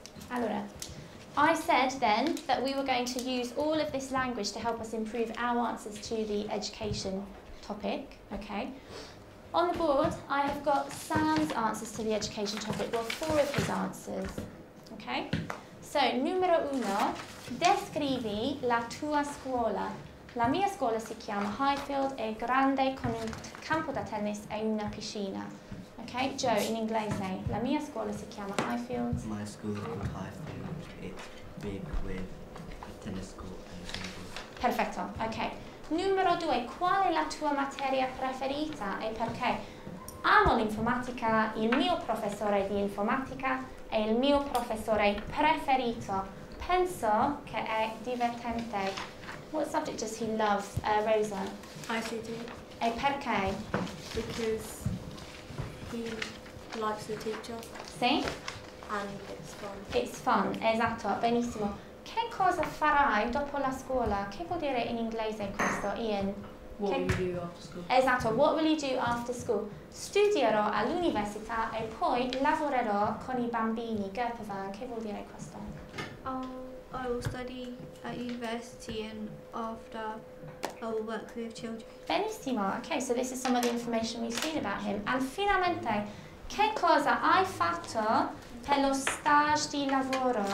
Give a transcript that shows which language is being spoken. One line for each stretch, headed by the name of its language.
English: Allora, I said then that we were going to use all of this language to help us improve our answers to the education topic, okay? On the board, I have got Sam's answers to the education topic, well, four of his answers. Okay, so
Italian: numero uno, descrivi la tua scuola. La mia scuola si chiama Highfield, è grande con un campo da tennis e una piscina. Okay, Joe, in inglese, la mia scuola si chiama Highfield.
English: My school is Highfield, it's big with a tennis court and a swimming pool.
Italian: Perfetto, okay. Numero due, qual è la tua materia preferita e perché? Amo l'informatica, il mio professore di informatica è il mio professore preferito. Penso che è divertente.
English: What subject does he love, Rosa? ICT.
Italian: E perché?
English: Because he likes the teacher.
Italian: Sì?
English: And it's fun. It's fun,
Italian: esatto, benissimo. Che cosa farai dopo la scuola? Che vuol dire in inglese questo, Ian?
English: What will you do after school? Esatto, what will you do after school?
Italian: Studierò all'università e poi lavorerò con I bambini. Gerpavan, che vuol dire questo?
English: I will study at university and after I will work with children. Benissimo, okay, so this is some of the information we've seen about him. And finalmente,
Italian: che cosa hai fatto per lo stage di lavoro?